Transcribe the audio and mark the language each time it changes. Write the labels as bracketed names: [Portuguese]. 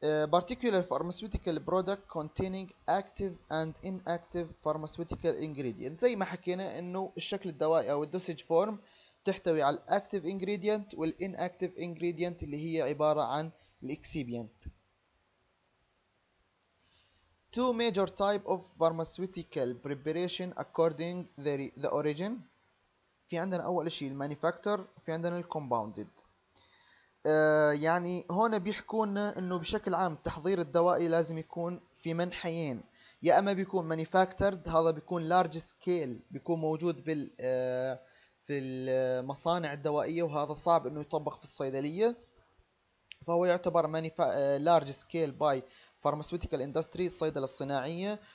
[English] particular pharmaceutical product containing active and inactive pharmaceutical ingredient. [Arabic] زي ما حكينا انه الشكل الدوائي او الدوسج فورم تحتوي على الاكتيف انجريدينت والانكتيف انجريدينت اللي هي عباره عن الاكسيبيانت. [English] Two major type of pharmaceutical preparation according the origin. [Arabic] في عندنا اول شيء المانيفاكتور، في عندنا الكومباوندد. يعني هون بيحكون انه بشكل عام التحضير الدوائي لازم يكون في منحيين، يا اما بيكون مانيفاكتورد، هذا بيكون لارج سكيل، بيكون موجود في المصانع الدوائيه وهذا صعب انه يطبق في الصيدليه، فهو يعتبر لارج سكيل باي pharmaceutical industry، الصيدلة الصناعية.